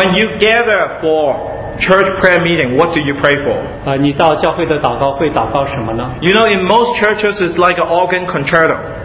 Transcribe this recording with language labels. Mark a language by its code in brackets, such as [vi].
[en] When you gather for church prayer meeting, what do you pray for? [zh] 你到教会的祷告会祷告什么呢? [en] You know, in most churches, it's like an organ concerto.